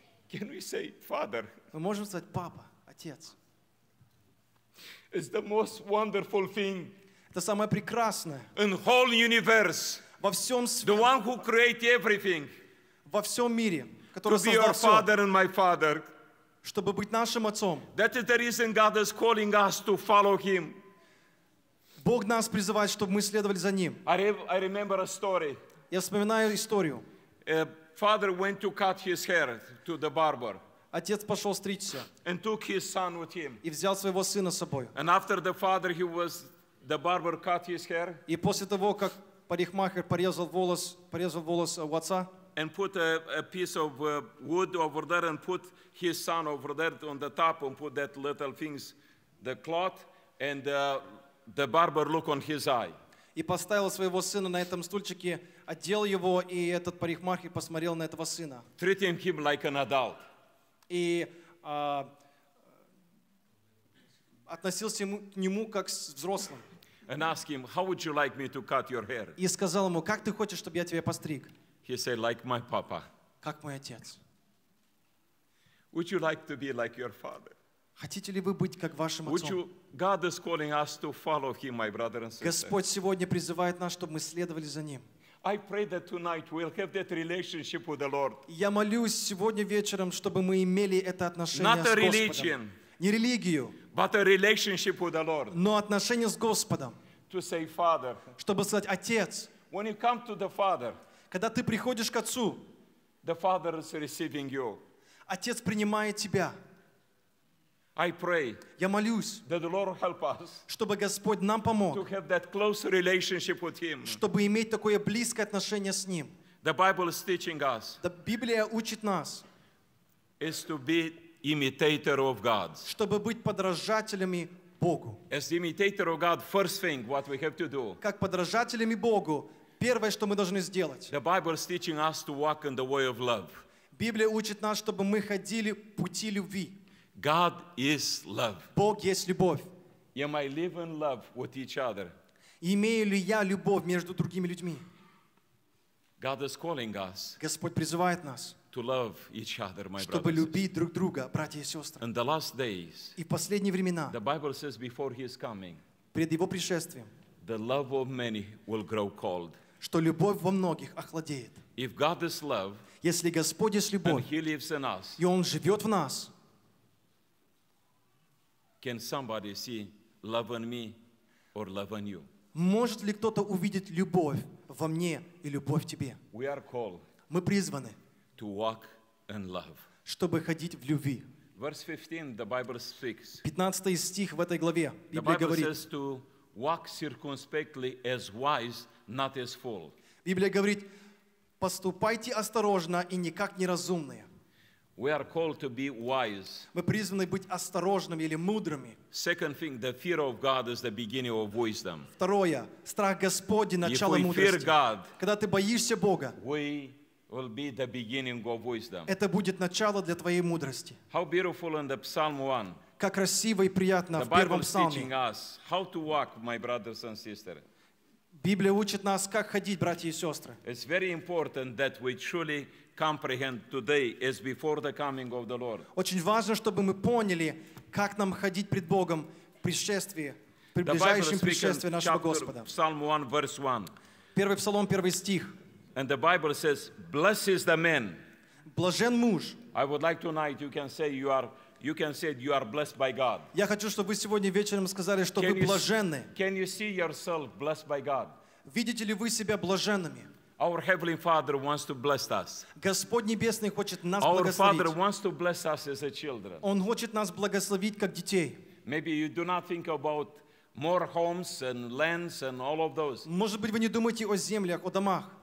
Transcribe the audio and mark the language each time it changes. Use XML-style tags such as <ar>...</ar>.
<en>Can we say, Father?</en> <ru>Мы можем сказать папа, отец.</ru> <en>It's the most wonderful thing.</en> <ru>Это самое прекрасное.</ru> <en>In whole universe.</en> <ru>Во всем свете.</ru> <en>The one who created everything.</en> <ru>Во всем мире, который создал все.</ru> <en>To be your father and my father.</en> <ru>Чтобы быть нашим отцом.</ru> <en>That is the reason God is calling us to follow him.</en> <ru>Бог нас призывает, чтобы мы следовали за ним.</ru> <en>I remember a story.</en> <ru>Я вспоминаю историю.</ru> <en>A father went to cut his hair to the barber.</en> <ru>Отец пошел стричься.</ru> <en>And took his son with him.</en> <ru>И взял своего сына с собой.</ru> <en>And after the father, he was the barber cut his hair.</en> <ru>И после того, как парикмахер порезал волос у отца.</ru> <en>And put a piece of wood over there and put his son over there on the top and put that little things, the cloth, and the barber look on his eye.</en> <ru>И поставил своего сына на этом стульчике, одел его, и этот парикмахер посмотрел на этого сына.</ru> <en>Treating him like an adult.</en> <ru>И относился к нему как к взрослому.</ru> <en>And ask him, how would you like me to cut your hair?</en> <ru>И сказал ему, как ты хочешь, чтобы я тебя постриг?</ru> <en>He said, like my papa.</en> <ru>Как мой отец.</ru> <en>Would you like to be like your father?</en> <ru>Хотите ли вы быть как вашим отцом?</ru> <en>God is calling us to follow him, my brother and sister.</en> <ru>Господь сегодня призывает нас, чтобы мы следовали за ним.</ru> <en>I pray that tonight we'll have that relationship with the Lord.</en> <ru>Я молюсь сегодня вечером, чтобы мы имели это отношение с Господом.</ru> <en>Not a religion.</en> <ru>Не религию.</ru> <en>But a relationship with the Lord.</en> <ru>Но отношение с Господом.</ru> <en>To say, Father.</en> <ru>Чтобы сказать, Отец.</ru> <en>When you come to the Father.</en> <ru>Когда ты приходишь к Отцу.</ru> <en>The Father is receiving you.</en> <ru>Отец принимает тебя.</ru> <en>I pray.</en> <ru>Я молюсь.</ru> <en>That the Lord help us.</en> <ru>Чтобы Господь нам помог.</ru> <en>To have that close relationship with Him.</en> <ru>Чтобы иметь такое близкое отношение с Ним.</ru> <en>The Bible is teaching us.</en> <ru>Библия учит нас.</ru> <en>Is to be imitator of God.</en> <ru>Чтобы быть подражателями Богу.</ru> <en>As imitator of God, first thing what we have to do.</en> <ru>Как подражателями Богу, первое, что мы должны сделать.</ru> <en>The Bible is teaching us to walk in the way of love.</en> <ru>Библия учит нас, чтобы мы ходили пути любви.</ru> <en>God is love.</en> <ru>Бог есть любовь.</ru> <en>Am I living love with each other?</en> <ru>Имею ли я любовь между другими людьми?</ru> <en>God is calling us.</en> <ru>Господь призывает нас.</ru> <en>To love each other, my</en> <ru>чтобы</ru> <en>brothers.</en> <ru>Любить друг друга, братья и сестры.</ru> <en>In the last days.</en> <ru>И последние времена.</ru> <en>The Bible says before his coming.</en> <ru>Пред его пришествием.</ru> <en>The love of many will grow cold.</en> <ru>Что любовь во многих охладеет.</ru> <en>If God is love.</en> <ru>Если Господь есть любовь.</ru> <en>And he lives in us.</en> <ru>И он живет в нас.</ru> <en>Can somebody see love in me or love in you?</en> <ru>Может ли кто-то увидеть любовь во мне и любовь тебе?</ru> <en>We are called.</en> <ru>Мы призваны.</ru> <en>To walk in love.</en> <ru>Чтобы ходить в любви.</ru> <en>Verse 15, the Bible speaks.</en> <ru>15 стих в этой главе Библия говорит.</ru> <en>The Bible says to walk circumspectly as wise, not as fool.</en> <ru>Библия говорит: поступайте осторожно и не как неразумные.</ru> <en>We are called to be wise.</en> <ru>Мы призваны быть осторожными или мудрыми.</ru> <en>Second thing, the fear of God is the beginning of wisdom.</en> <ru>Второе, страх Господень начало мудрости.</ru> <en>If we fear God,</en> <ru>когда ты боишься Бога,</ru> <en>we will be the beginning of wisdom.</en> <ru>Это будет начало для твоей мудрости.</ru> <en>How beautiful in the Psalm 1.</en> <ru>Как красиво и приятно в первом псалме.</ru> <en>The Bible is teaching us how to walk, my brothers and sisters.</en> <ru>Библия учит нас, как ходить, братья и сестры.</ru> <en>It's very important that we truly comprehend today as before the coming of the Lord.</en> <ru>Очень важно, чтобы мы поняли, как нам ходить пред Богом в пришествии, приближающем пришествии нашего Господа.</ru> <en>Psalm 1, verse 1.</en> <ru>Первый псалом, первый стих.</ru> <en>And the Bible says, "Blessed is the man."</en> <ru>Блажен муж.</ru> <en>I would like tonight you can say you are blessed by God.</en> <ru>Я хочу, чтобы вы сегодня вечером сказали, что вы блаженны.</ru> <en>Can you see yourself blessed by God?</en> <ru>Видите ли вы себя блаженными?</ru> <en>Our heavenly Father wants to bless us.</en> <ru>Господь небесный хочет нас благословить.</ru> <en>Our Father wants to bless us as a children.</en> <ru>Он хочет нас благословить как детей.</ru> <en>Maybe you do not think about more homes and lands and all of those.</en> <ru>Может быть, вы не думаете о землях, о домах.</ru>